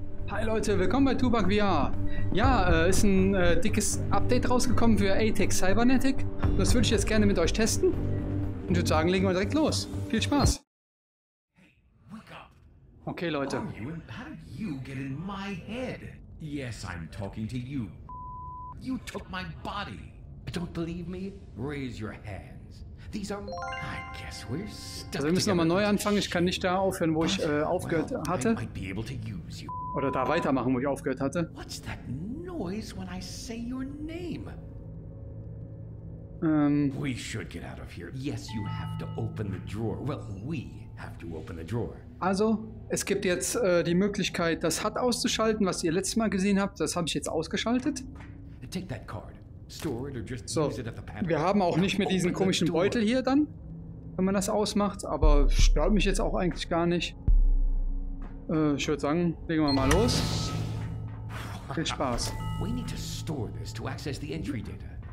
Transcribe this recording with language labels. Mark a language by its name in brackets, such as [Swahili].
[German] Hi Leute, willkommen bei Tubak VR. Ja, ist ein dickes Update rausgekommen für ATEX Cybernetic. Das würde ich jetzt gerne mit euch testen. Und würde sagen, legen wir direkt los. Viel Spaß. Okay, Leute. [English] How did you get in my head? Yes, I'm talking to you. You took my body. Don't believe me? Raise your hands. These are... I guess we're stuck. [German] Also, wir müssen nochmal neu anfangen. Ich kann nicht da aufhören, wo ich aufgehört hatte. [English] I might be able to use you. [German] Oder da weitermachen, wo ich aufgehört hatte. [English] What's that noise when I say your name? We should get out of here. Yes, you have to open the drawer. Well, we have to open the drawer. [German] Also, es gibt jetzt die Möglichkeit, das HUD auszuschalten, was ihr letztes Mal gesehen habt. Das habe ich jetzt ausgeschaltet. [English] Take that card. Store it or just [German] so, [English] use it at the panel. [German] Wir haben auch nicht mehr diesen komischen Beutel hier dann, wenn man das ausmacht. Aber stört mich jetzt auch eigentlich gar nicht. Ich würde sagen, legen wir mal los. Viel Spaß. [English] We need to store this to access the entry data.